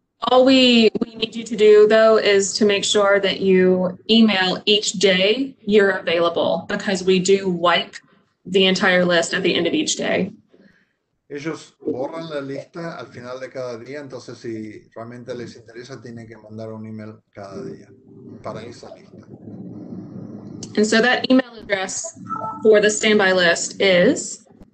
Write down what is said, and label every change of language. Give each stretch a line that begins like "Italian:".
English: All we need you to do though is to make sure that you email each day you're available, because we do wipe the entire list at the end of each day.
Spanish: Ellos borran la lista al final de cada día, entonces si realmente les interesa tienen que mandar un email cada día para esa lista.
English: And so that email address for the standby list is